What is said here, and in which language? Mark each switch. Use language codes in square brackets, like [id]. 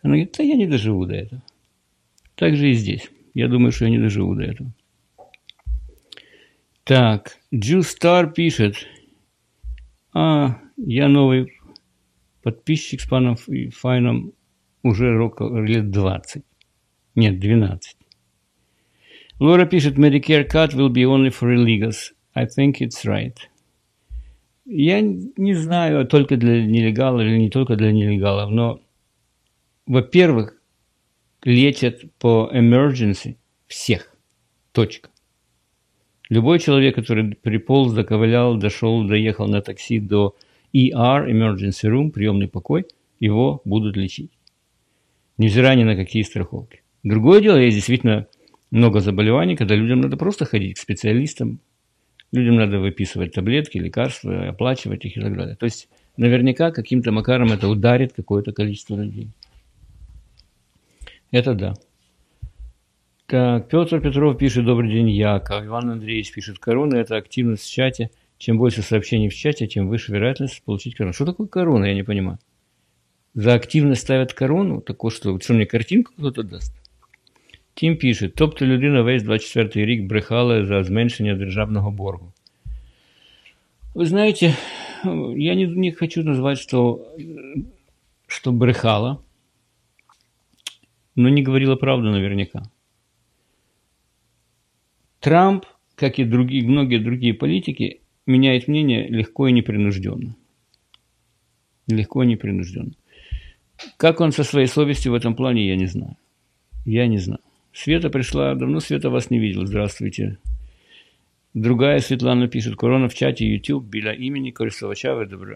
[ru] Она говорит: да я не доживу до этого. Так же и здесь. Я думаю, что я не доживу до этого. Так, Джустар пишет: а, я новый подписчик с паном Файном уже лет 20. Нет, 12. Лора пишет: [en] Medicare cut will be only for illegals. I think it's right. [ru] Я не знаю, только для нелегалов или не только для нелегалов, но, во-первых, лечат по emergency всех. Точка. Любой человек, который приполз, доковылял, дошел, доехал на такси до ER, emergency room, приемный покой, его будут лечить. Невзирая ни на какие страховки. Другое дело, есть действительно много заболеваний, когда людям надо просто ходить к специалистам, людям надо выписывать таблетки, лекарства, оплачивать их и так далее. То есть наверняка каким-то макаром это ударит какое-то количество людей. Это да. Так, Петр Петров пишет: добрый день, Яко. Иван Андреевич пишет: корона – это активность в чате. Чем больше сообщений в чате, тем выше вероятность получить корону. Что такое корона, я не понимаю. За активность ставят корону? Так вот что мне картинку кто-то даст? Тим пишет: [uk] тобто людина весь 24-й рік брехала за зменшення державного боргу. Ви знаєте, я не хочу назвати, що брехала, но не говорила правду наверняка. [ru] Трамп, как и другие, многие другие политики, меняет мнение легко и непринужденно. Легко и непринужденно. Как он со своей совестью в этом плане, я не знаю. Я не знаю. Света пришла, давно Света вас не видела, здравствуйте. Другая Светлана пишет: корона в чате YouTube, беля имени користувача, вы добры.